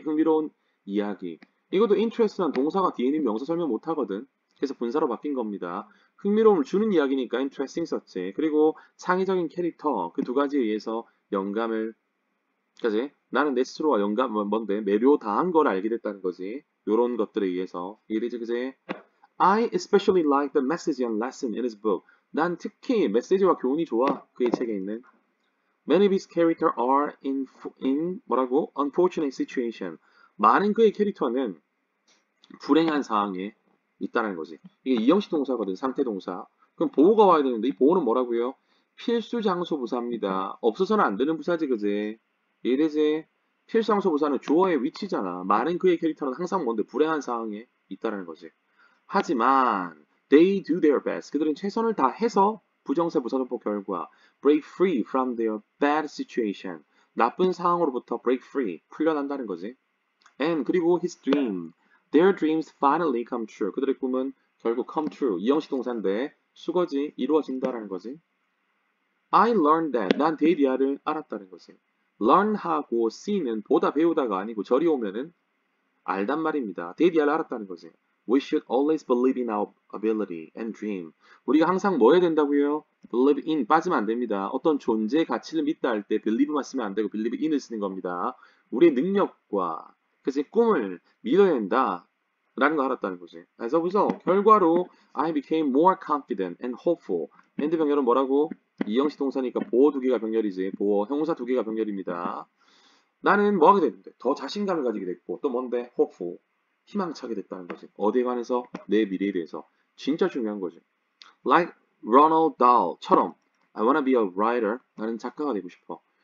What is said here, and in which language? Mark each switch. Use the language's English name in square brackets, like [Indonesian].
[Korean] 흥미로운 이야기. 이것도 Interest란 동사가 뒤에 있는 명사 설명 못하거든. 그래서 분사로 바뀐 겁니다. 흥미로움을 주는 이야기니까 interesting 썼지. 그리고 창의적인 캐릭터, 그두 가지에 의해서 영감을 그지? 나는 내 스스로와 영감, 뭔데, 매료당한 걸 알게 됐다는 거지. 요런 것들에 의해서. 이리지, 그지? [English] I especially like the message and lesson in his book. [Korean] 난 특히 메시지와 교훈이 좋아. 그의 책에 있는. [English] Many of his characters are in [Korean] 뭐라고? [English] Unfortunate situation. [Korean] 많은 그의 캐릭터는 불행한 상황에 있다는 거지. 이게 이형식 동사거든, 상태 동사. 그럼 보호가 와야 되는데, 이 보호는 뭐라고요? 필수 장소 부사입니다. 없어서는 안 되는 부사지, 그지? 이래지. 필수 장소 부사는 주어의 위치잖아. 많은 그의 캐릭터는 항상 뭔데, 불행한 상황에 있다는 거지. [English] 하지만, they do their best. [Korean] 그들은 최선을 다해서 부정사 부사선포 결과, [English] break free from their bad situation. [Korean] 나쁜 상황으로부터 break free. 풀려난다는 거지. And, 그리고 his dream. [English] Their dreams finally come true. [Korean] 그들의 꿈은 결국 [English] come true. [Korean] 이형식 동사인데, 수거지, 이루어진다라는 거지. [English] I learned that. [Korean] 난 데이디아를 알았다는 거지. learn하고 see는 보다 배우다가 아니고 절이 오면은 알단 말입니다. 데이디아를 알았다는 거지. [English] We should always believe in our ability and dream. [Korean] 우리가 항상 뭐 해야 된다고요? Believe in 빠지면 안 됩니다. 어떤 존재의 가치를 믿다 할때 believe만 쓰면 안 되고 believe in을 쓰는 겁니다. 우리의 능력과 그지 꿈을 믿어야 된다 라는 거 알았다는 거지. [English] As a result, 결과로 I became more confident and hopeful. [Korean] and 병렬은 뭐라고? 이형식 동사니까 보어 두 개가 병렬이지. 보어 형사 두 개가 병렬입니다. 나는 뭐 하게 됐는데? 더 자신감을 가지게 됐고 또 뭔데? hopeful. 희망차게 됐다는 거지. 어디에 관해서? 내 미래에 대해서. 진짜 중요한 거지. [English] Like Ronald Dahl처럼 I wanna be a writer. [Korean] 나는 작가가 되고 싶어.